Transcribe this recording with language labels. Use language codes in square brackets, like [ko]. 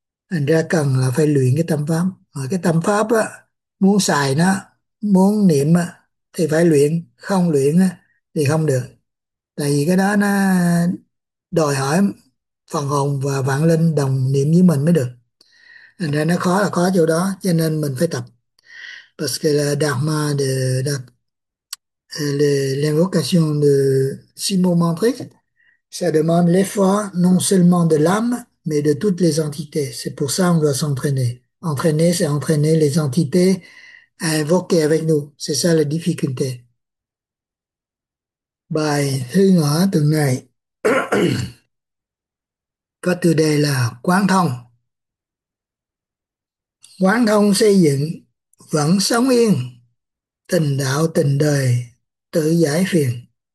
[vi] Thành ra cần là phải luyện cái tâm pháp. Mà cái tâm pháp á muốn xài nó, muốn niệm á thì phải luyện, không luyện á thì không được. Tại vì cái đó nó đòi hỏi phần hồn và vạn linh đồng niệm với mình mới được. Thành ra nó khó là khó chỗ đó, cho nên mình phải tập. [fr] Parce que là l'invocation de six mots mantriques, ça demande l'effort non seulement de l'âme, mais de toutes les entités. C'est pour ça qu'on doit s'entraîner. Entraîner, c'est entraîner les entités à invoquer avec nous. C'est ça la difficulté. [vi] Bài thứ ngõ tuần này có tựa đề là Quán Thông. Quán thông xây dựng vẫn sống yên, tình đạo tình đời tự giải phiền.